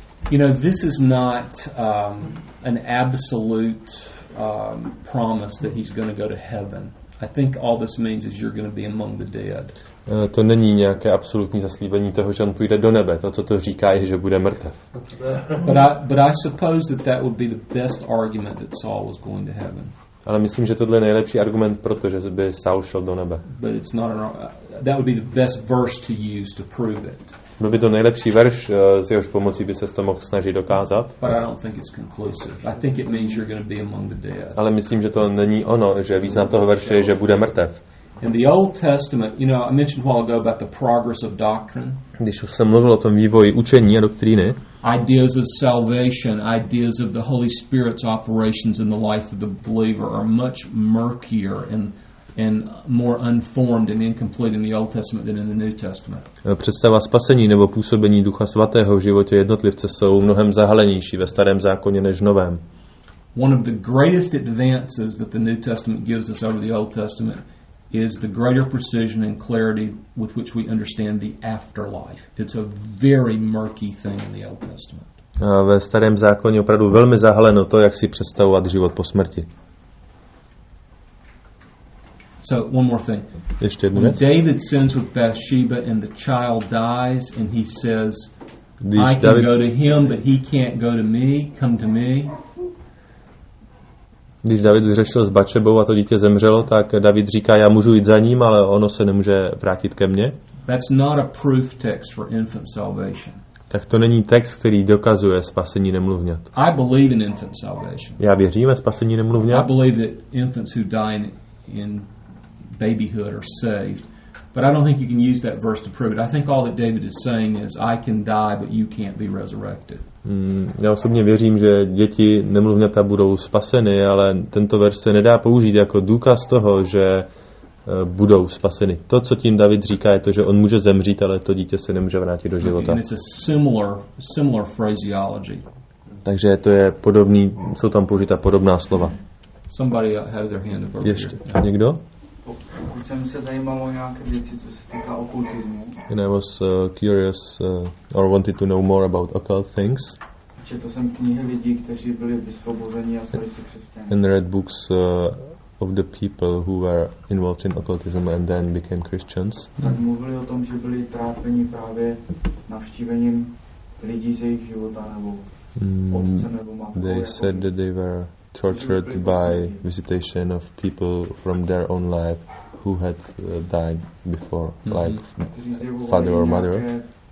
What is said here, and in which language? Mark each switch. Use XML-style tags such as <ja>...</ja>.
<en>You know, this is not an absolute promise that he's going to go to heaven. I think all this means is you're going to be among the dead.</en> <cs>To není nějaké absolutní zaslíbení toho, že on půjde do nebe. To, co to říká, je, že bude mrtev.</cs> <en>But I suppose that that would be the best argument that Saul was going to heaven.</en> <cs>Ale myslím, že tohle je nejlepší argument, protože by Saul šel do nebe.</cs> <en>But it's not that would be the best verse to use to prove it.</en> <cs>Byl by to nejlepší verš, z jehož pomocí by se to mohl snažit dokázat.</cs> <en>But I don't think it's conclusive. I think it means you're going to be among the dead.</en> <cs>Ale myslím, že to není ono, že význam toho verše je, že bude mrtev.</cs> <en>In the Old Testament, you know, I mentioned a while ago about the progress of doctrine.</en> <cs>Když už jsem mluvil o tom vývoji učení a doktríny.</cs> <en>Ideas of salvation, ideas of the Holy Spirit's operations in the life of the believer are much murkier and more unformed and incomplete in the Old Testament than in the New Testament.</en> <cs>Představa spasení nebo působení Ducha Svatého v životě jednotlivce jsou mnohem zahalenější ve Starém zákoně než v Novém.</cs> <en>One of the greatest advances that the New Testament gives us over the Old Testament is the greater precision and clarity with which we understand the afterlife. It's a very murky thing in the Old Testament.</en> <cs>Ve Starém zákoně opravdu velmi zahaleno to, jak si představovat život po smrti.</cs> <en>So one more thing.</en> <cs>Ještě jednu věc.</cs> <en>David sins with Bathsheba and the child dies and he says,</en> <cs>když</cs> <en>I can go to him, but he can't go to me. Come to me.</en> <cs>Když David zřešil s Batšebou a to dítě zemřelo, tak David říká, já můžu jít za ním, ale ono se nemůže vrátit ke mně.</cs> <en>That's not a proof text for infant salvation.</en> <cs>Tak to není text, který dokazuje spasení nemluvňat.</cs> <en>I believe in infant salvation.</en> <cs>Já věřím ve spasení nemluvňat.</cs> <en>I believe that infants who die in babyhood are saved. But I don't think you can use that verse to prove it. I think all that David is saying is I can die, but you can't be resurrected.</en> <cs>Já osobně věřím, že děti nemluvňata budou spaseny, ale tento verš se nedá použít jako důkaz toho, že budou spaseny. To, co tím David říká, je to, že on může zemřít, ale to dítě se nemůže vrátit do života.</cs> <en>And it's a similar phraseology.</en> <cs>Takže to je podobný, jsou tam použita podobná slova.</cs> <en>Somebody had their hand over.</en> <cs>Ještě někdo? Pokud jsem se zajímal o nějaké věci, co se týká okultismu.</cs> <en>And I was curious or wanted to know more about occult things.</en> <cs>Četl jsem knihy lidí, kteří byli vysvobozeni a stali se křesťany.</cs> <en>And read books of the people who were involved in occultism and then became Christians.</en> <cs>Tak mluvili o tom, že byli trápeni právě navštívením lidí z jejich života nebo otce nebo matky.</cs> <en>They said that they were tortured by visitation of people from their own life who had died before, mm-hmm. like father or mother.</en>